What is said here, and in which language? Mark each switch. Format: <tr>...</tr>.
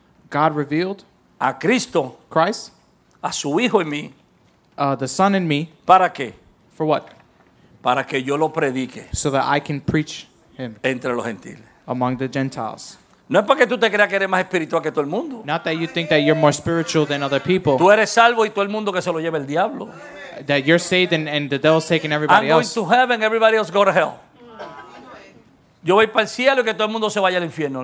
<en>God revealed</en> <es>a Cristo,</es> <en>Christ,</en> <es>a su hijo en mí,</es> <en>the Son in me,</en> <es>¿para qué?</es> <en>For what?</en> <es>Para que yo lo predique.</es> <en>So that I can preach him.</en> <es>Entre los gentiles.</es> <en>Among the Gentiles.</en> <es>No es porque tú te creas que eres más espiritual que todo el mundo.</es> <en>Not that you think that you're more spiritual than other people.</en> <es>Tú eres salvo y todo el mundo que se lo lleva el diablo.</es> <en>That you're saved and the devil's taking everybody else. I'm going else. To heaven, everybody else go to hell.</en> <es>Yo voy para el cielo y que todo el mundo se vaya al infierno.</es>